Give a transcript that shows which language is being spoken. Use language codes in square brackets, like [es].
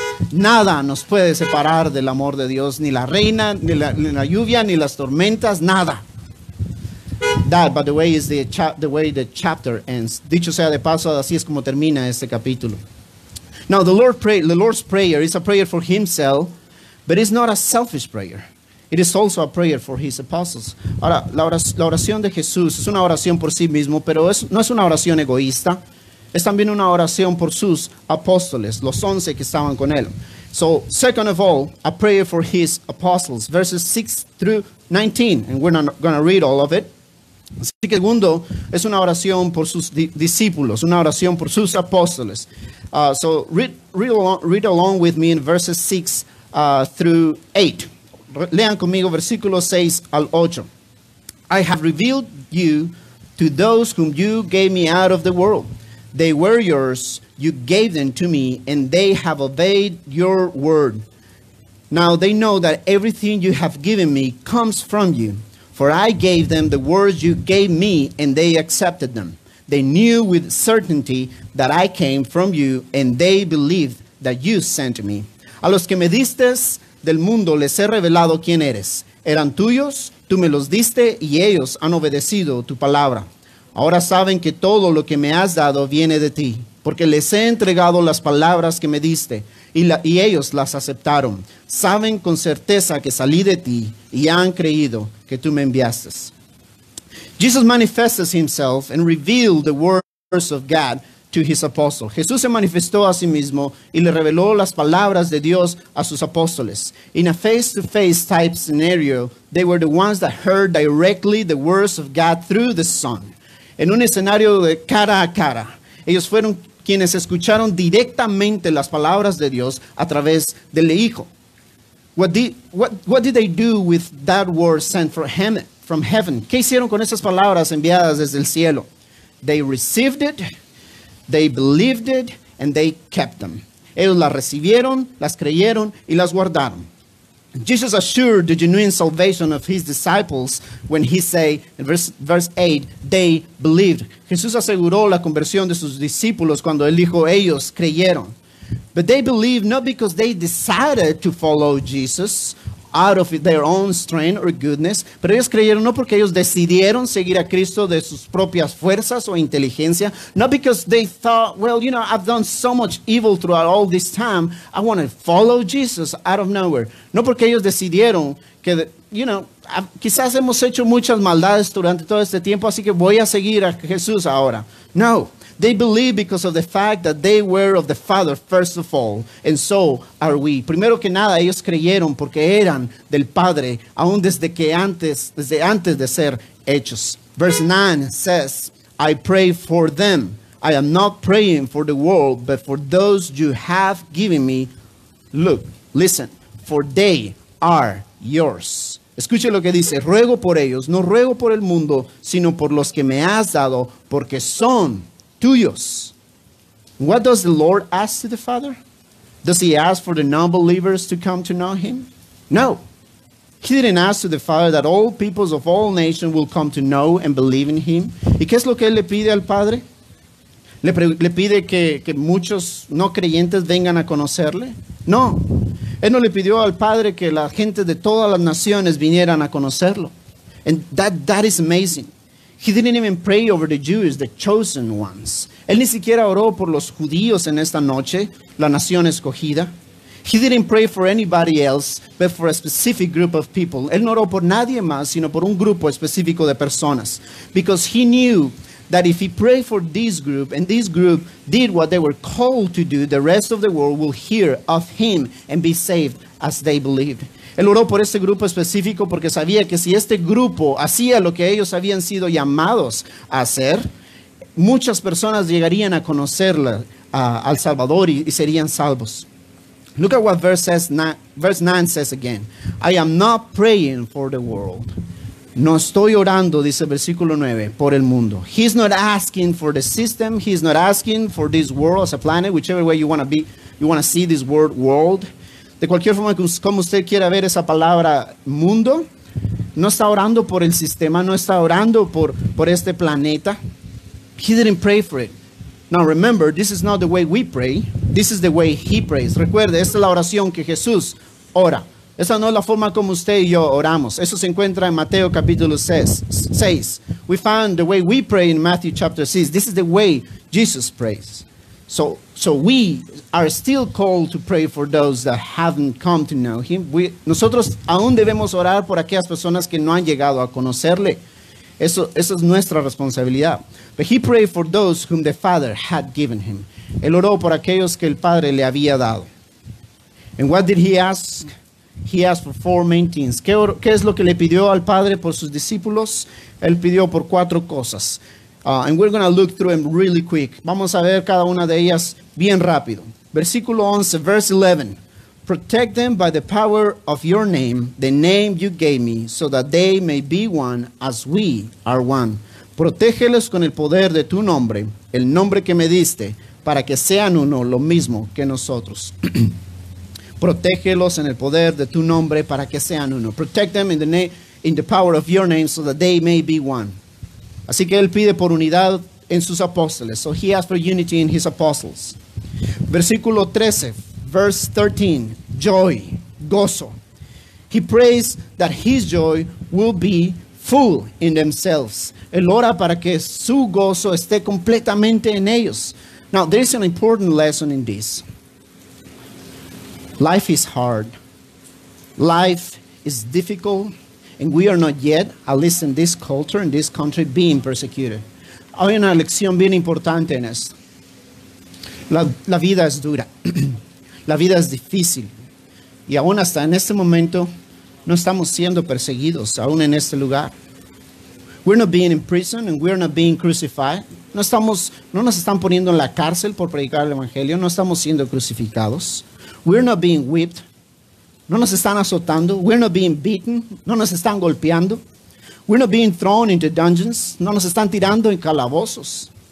[es] Nada nos puede separar del amor de Dios, ni la reina, ni la lluvia, ni las tormentas, nada. [en] That, by the way, is the way the chapter ends. [es] Dicho sea de paso, así es como termina este capítulo. [en] Now, the Lord's prayer is a prayer for himself, but it's not a selfish prayer. It is also a prayer for his apostles. [es] Ahora, la oración de Jesús es una oración por sí mismo, pero no es una oración egoísta. Es también una oración por sus apóstoles, los once que estaban con él. [en] So, second of all, a prayer for his apostles, verses 6 through 19, and we're not going to read all of it. [es] Así que segundo, es una oración por sus discípulos, una oración por sus apóstoles. [en] So read along with me in verses 6 through 8. [es] Lean conmigo versículos 6 al 8. [en] I have revealed you to those whom you gave me out of the world. They were yours, you gave them to me, and they have obeyed your word. Now they know that everything you have given me comes from you. For I gave them the words you gave me, and they accepted them. They knew with certainty that I came from you, and they believed that you sent me. [es] A los que me diste del mundo les he revelado quién eres. Eran tuyos, tú me los diste, y ellos han obedecido tu palabra. Ahora saben que todo lo que me has dado viene de ti, porque les he entregado las palabras que me diste, y ellos las aceptaron. Saben con certeza que salí de ti, y han creído que tú me enviaste. [en] Jesus manifests himself and revealed the words of God to his apostles. [es] Jesús se manifestó a sí mismo y le reveló las palabras de Dios a sus apóstoles. [en] In a face-to-face type scenario, they were the ones that heard directly the words of God through the Son. [es] En un escenario de cara a cara, ellos fueron quienes escucharon directamente las palabras de Dios a través del Hijo. [en] What did they do with that word sent from heaven? [es] ¿Qué hicieron con esas palabras enviadas desde el cielo? [en] They received it, they believed it, and they kept them. [es] Ellos las recibieron, las creyeron, y las guardaron. [en] Jesus assured the genuine salvation of his disciples when he said, in verse 8, they believed. [es] Jesús aseguró la conversión de sus discípulos cuando él dijo, ellos creyeron. [en] But they believed not because they decided to follow Jesus out of their own strength or goodness. [es] Pero ellos creyeron no porque ellos decidieron seguir a Cristo de sus propias fuerzas o inteligencia. [en] Not because they thought, well, you know, I've done so much evil throughout all this time. I want to follow Jesus out of nowhere. [es] No porque ellos decidieron que, [en] you know, [es] quizás hemos hecho muchas maldades durante todo este tiempo, así que voy a seguir a Jesús ahora. No. [en] They believe because of the fact that they were of the Father, first of all, and so are we. [es] Primero que nada, ellos creyeron porque eran del Padre, aún desde antes de ser hechos. [en] Verse 9 says, I pray for them. I am not praying for the world, but for those you have given me. Look, listen, for they are yours. [es] Escuche lo que dice, ruego por ellos, no ruego por el mundo, sino por los que me has dado, porque son tuyos. [en] What does the Lord ask to the Father? Does he ask for the non-believers to come to know him? No. He didn't ask to the Father that all peoples of all nations will come to know and believe in him. [es] ¿Y qué es lo que él le pide al Padre? Le pide que muchos no creyentes vengan a conocerle. No. Él no le pidió al Padre que la gente de todas las naciones vinieran a conocerlo. [en] And that is amazing. He didn't even pray over the Jews, the chosen ones. [es] Él ni siquiera oró por los judíos en esta noche, la nación escogida. [en] He didn't pray for anybody else, but for a specific group of people. [es] Él no oró por nadie más, sino por un grupo específico de personas. [en] Because he knew that if he prayed for this group, and this group did what they were called to do, the rest of the world will hear of him and be saved as they believed. [es] Él oró por este grupo específico porque sabía que si este grupo hacía lo que ellos habían sido llamados a hacer, muchas personas llegarían a conocerla al Salvador y serían salvos. [en] Look at what verse 9 says again. I am not praying for the world. [es] No estoy orando, dice el versículo 9, por el mundo. [en] He's not asking for the system. He's not asking for this world as a planet, whichever way you want to be, you want to see this word world. [es] De cualquier forma, como usted quiera ver esa palabra mundo, no está orando por el sistema, no está orando por este planeta. [en] He didn't pray for it. Now remember, this is not the way we pray. This is the way he prays. [es] Recuerde, esta es la oración que Jesús ora. Esa no es la forma como usted y yo oramos. Eso se encuentra en Mateo capítulo 6. [en] We found the way we pray in Matthew chapter 6. This is the way Jesus prays. So we are still called to pray for those that haven't come to know him. [es] Nosotros aún debemos orar por aquellas personas que no han llegado a conocerle. Eso es nuestra responsabilidad. [en] But he prayed for those whom the Father had given him. [es] Él oró por aquellos que el Padre le había dado. [en] And what did he ask? He asked for four main things. [es] ¿Qué es lo que le pidió al Padre por sus discípulos? Él pidió por cuatro cosas. [en] And we're going to look through them really quick. [es] Vamos a ver cada una de ellas bien rápido. Versículo 11, [en] verse 11. Protect them by the power of your name, the name you gave me, so that they may be one as we are one. [es] Protégelos con el poder de tu nombre, el nombre que me diste, para que sean uno lo mismo que nosotros. Protégelos en el poder de tu nombre para que sean uno. [en] Protect them in the name... in the power of your name so that they may be one. [es] Así que él pide por unidad en sus apóstoles. [en] So he asked for unity in his apostles. [es] Versículo 13, [en] verse 13, joy, gozo. He prays that his joy will be full in themselves. [es] Él ora para que su gozo esté completamente en ellos. [en] Now, there is an important lesson in this. Life is hard. Life is difficult. And we are not yet, at least in this culture, in this country, being persecuted. [es] Hay una lección bien importante en esto. La vida es dura. La vida es difícil. Y aún hasta en este momento, no estamos siendo perseguidos, aún en este lugar. [en] We're not being in prison and we're not being crucified. [es] No nos están poniendo en la cárcel por predicar el evangelio. No estamos siendo crucificados. [en] We're not being whipped. [es] No nos están azotando. [en] We're not being beaten. [es] No nos están golpeando. [en] We're not being thrown into dungeons. [es] No nos están tirando en calabozos.